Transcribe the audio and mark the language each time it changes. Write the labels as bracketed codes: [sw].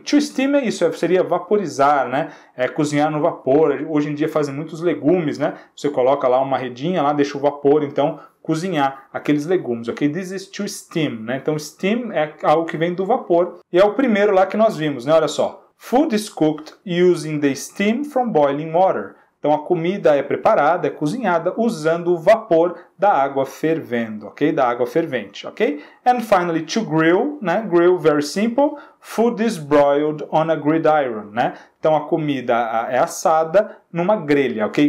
[en] To steam [pt] é isso, seria vaporizar, né? É cozinhar no vapor. Hoje em dia fazem muitos legumes, né? Você coloca lá uma redinha, lá deixa o vapor, então, cozinhar aqueles legumes, ok? [en] This is to steam, [pt] né? Então, steam é algo que vem do vapor. E é o primeiro lá que nós vimos, né? Olha só. [en] Food is cooked using the steam from boiling water. [pt] Então, a comida é preparada, é cozinhada, usando o vapor da água fervendo, ok? Da água fervente, ok? [en] And finally, to grill, [pt] né? [en] Grill, very simple. Food is broiled on a gridiron, né? [pt] Então, a comida é assada numa grelha, ok?